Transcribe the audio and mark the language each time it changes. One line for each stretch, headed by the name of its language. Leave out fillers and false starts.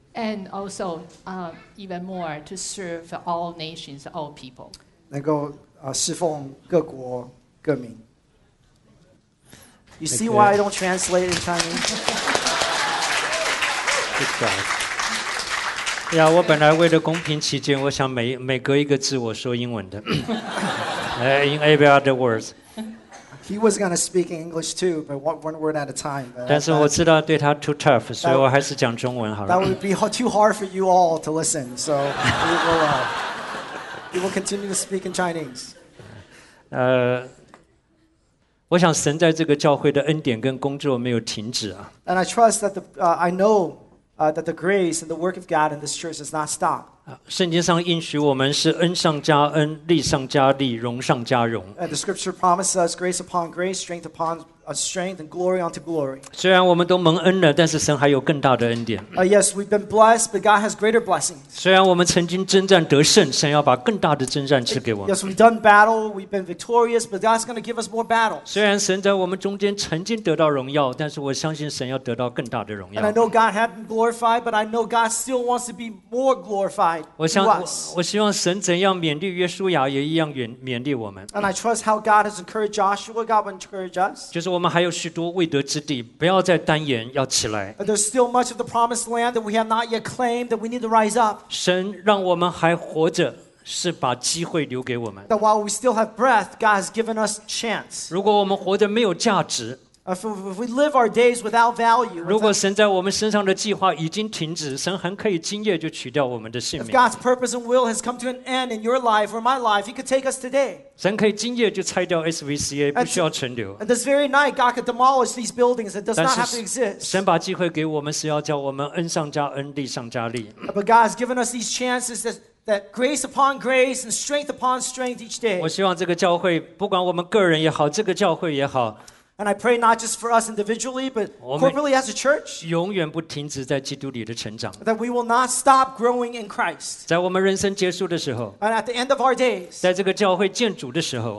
English: And also, even more to serve all nations, all people.
Chinese: 能够侍奉各国各民。
English: You see why I don't translate in Chinese? Good job.
Chinese: Yeah, 我本来为了公平起见，我想每隔一个字我说英文的。
English: In every other words. He was going to speak in English too, but one word at a time.
Chinese: 但是我知道对他
English: too tough,
Chinese: 所以我还是讲中文好了。
English: That would be too hard for you all to listen, so we will. He will continue to speak in Chinese.
Chinese: 我想神在这个教会的恩典跟工作没有停止啊。
English: And I trust that I know that the grace and the work of God in this church has not stopped.
Chinese: 圣经上应许我们是恩上加恩，力上加力，荣上加荣。
English: The Scripture promises us grace upon grace, strength upon strength, and glory unto glory.
Chinese: 虽然我们都蒙恩了，但是神还有更大的恩典。
English: Yes, we've been blessed, but God has greater blessings.
Chinese: 虽然我们曾经征战得胜，神要把更大的征战赐给我们。
English: Yes, we've done battle, we've been victorious, but God's going to give us more battles.
Chinese: 虽然神在我们中间曾经得到荣耀，但是我相信神要得到更大的荣耀。
English: And I know God has been glorified, but I know God still wants to be more glorified.
Chinese: 我希望神怎样勉励约书亚，也一样勉励我们。
English: And I trust how God has encouraged Joshua, God will encourage us.
Chinese: 就是我们还有许多未得之地，不要再单言，要起来。
English: There's still much of the promised land that we have not yet claimed that we need to rise up.
Chinese: 神让我们还活着，是把机会留给我们。
English: That while we still have breath, God has given us chance.
Chinese: 如果我们活得没有价值。
English: If we live our days without value,
Chinese: 如果神在我们身上的计划已经停止，神很可以今夜就取掉我们的性命。
English: If God's purpose and will has come to an end in your life or my life, He could take us today.
Chinese: 神可以今夜就拆掉 SVCA， 不需要存留。
English: And this very night, God could demolish these buildings that does not have to exist.
Chinese: 神把机会给我们，是要叫我们恩上加恩，力上加力。
English: But God has given us these chances that. That grace upon grace and strength upon strength each day.
Chinese: 我希望这个教会，不管我们个人也好，这个教会也好。
English: And I pray not just for us individually, but corporately as a church.
Chinese: 永远不停止在基督里的成长。
English: That we will not stop growing in Christ.
Chinese: 在我们人生结束的时候。
English: And at the end of our days.
Chinese: 在这个教会建主的时候。